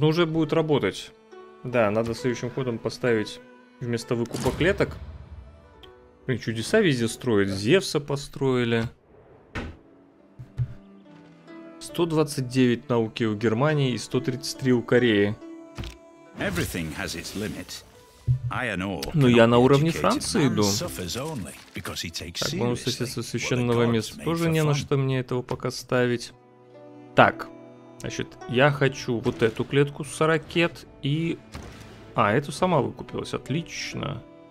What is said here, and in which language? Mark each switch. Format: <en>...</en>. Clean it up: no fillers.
<ru>Но уже будет работать. Да, надо следующим ходом поставить вместо выкупа клеток. Блин, чудеса везде строят. Зевса построили. 129 науки у Германии и 133 у Кореи.</ru> <en>Everything has its limit. Iron ore.</en> <ru>Но я на уровне Франции иду. Так, бонус соседства священного места. Тоже не на что мне этого пока ставить. Так, значит, я хочу вот эту клетку с ракет и... А, эту сама выкупилась. Отлично.</ru>